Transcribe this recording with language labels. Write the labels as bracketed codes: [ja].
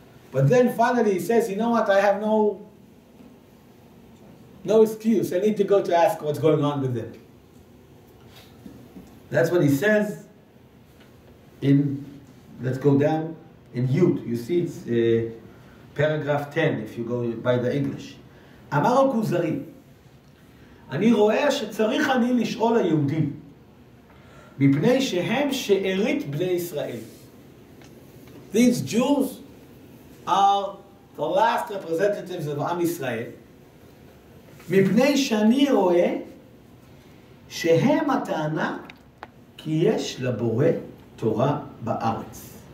[en] But then finally he says, you know what, I have no excuse. I need to go to ask what's going on with them. That's what he says in, let's go down, in Yud. You see, it's paragraph 10, if you go by the English. [he] Amaro Kuzari. אני רואה שצריך אני לשאול היהודים מפני שהם שארית בני ישראל. [en] These Jews are the last representatives of Am Yisrael. [he] מפני שאני רואה שהם הטענה כי יש לבורא תורה בארץ.